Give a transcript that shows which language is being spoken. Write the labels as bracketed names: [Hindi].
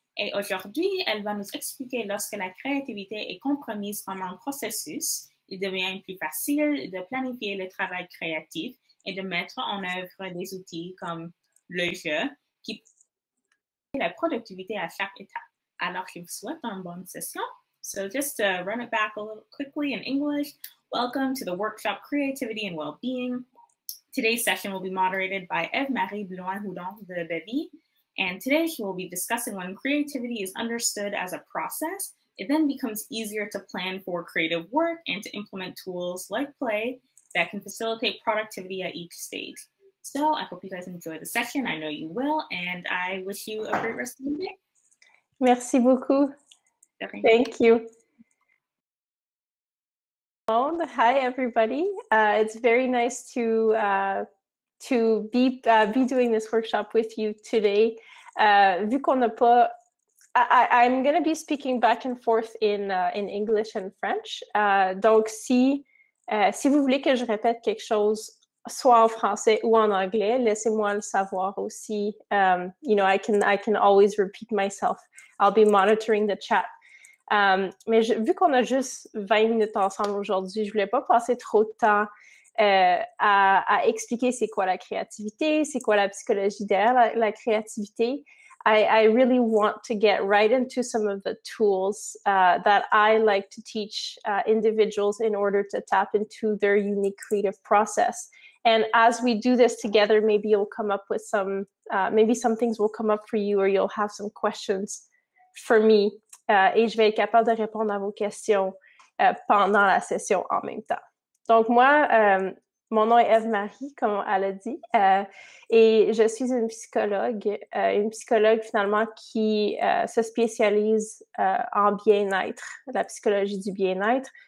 [French] Et aujourd'hui, elle va nous expliquer lorsque la créativité est compromise comme un processus, il devient plus facile de planifier le travail créatif et de mettre en œuvre des outils comme le jeu qui la productivité à chaque étape. Alors, je vous souhaite une bonne session. [English] So just to run it back a little quickly in English, welcome to the workshop Creativity and Well-being. Today's session will be moderated by Ève-Marie Blouin-Hudon de Bevy. And today she will be discussing when creativity is understood as a process, it then becomes easier to plan for creative work and to implement tools like play that can facilitate productivity at each stage. So I hope you guys enjoy the session. I know you will, and I wish you a great rest of the day. [French] Merci beaucoup. [English] Okay. Thank you. Hi, everybody. It's very nice to be doing this workshop with you today. [French] Vu qu'on n'a pas, [English] I'm going to be speaking back and forth in English and French. [French] Donc si vous voulez que je répète quelque chose, soit en français ou en anglais, laissez-moi le savoir aussi. [English] I can always repeat myself. I'll be monitoring the chat. [French] Vu qu'on a juste 20 minutes ensemble aujourd'hui, je voulais pas passer trop de temps à expliquer c'est quoi la créativité, c'est quoi la psychologie derrière la créativité. [English] I really want to get right into some of the tools that I like to teach individuals in order to tap into their unique creative process. And as we do this together, maybe you'll come up with some, maybe some things will come up for you, or you'll have some questions for me. [French] Et je vais être capable de répondre à vos questions pendant la session en même temps. Donc moi, mon nom est Ève-Marie, comme elle a dit, et je suis une psychologue finalement qui se spécialise en bien-être, la psychologie du bien-être.